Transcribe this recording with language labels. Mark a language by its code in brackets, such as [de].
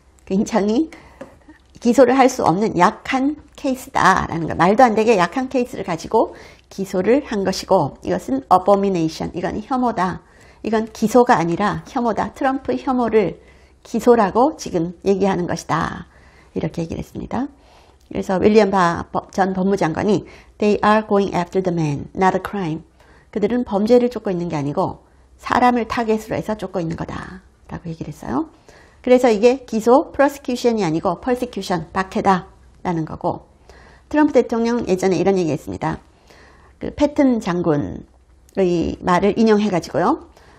[ko] 굉장히 기소를 할수 없는 약한 케이스다라는 거. 말도 안 되게 약한 케이스를 가지고 기소를 한 것이고 이것은 abomination. 이건 혐오다. 이건 기소가 아니라 혐오다. 트럼프 혐오를 기소라고 지금 얘기하는 것이다. 이렇게 얘기를 했습니다. 그래서 윌리엄 바전 법무장관이 [en] They are going after the man, not a crime. [ko] 그들은 범죄를 쫓고 있는 게 아니고 사람을 타겟으로 해서 쫓고 있는 거다. 라고 얘기를 했어요. 그래서 이게 기소, prosecution이 아니고 persecution, 박해다라는 거고. 트럼프 대통령 예전에 이런 얘기 했습니다. 그 패튼 장군의 말을 인용해가지고요.